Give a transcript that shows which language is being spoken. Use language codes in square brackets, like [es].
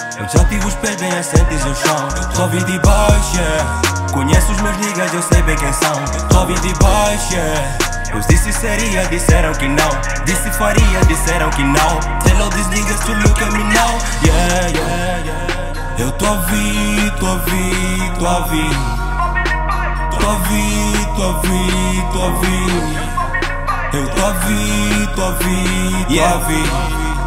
[pt] Eu já tive os pés bem assentes no chão. Eu tô a vir de baixo, yeah. Conheço os meus niggas, eu sei bem quem são. Eu tô a vir de baixo, yeah. Eu disse seria, disseram que não. Disse faria, disseram que não. [en] Tell all these niggas to look at me now. Yeah, yeah, yeah. [pt] Eu tô a vir, tô a vir, tô a vir. Tô a vir, tô a vir, tô a vir. Eu tô a vir, tô a vir, tô a vir.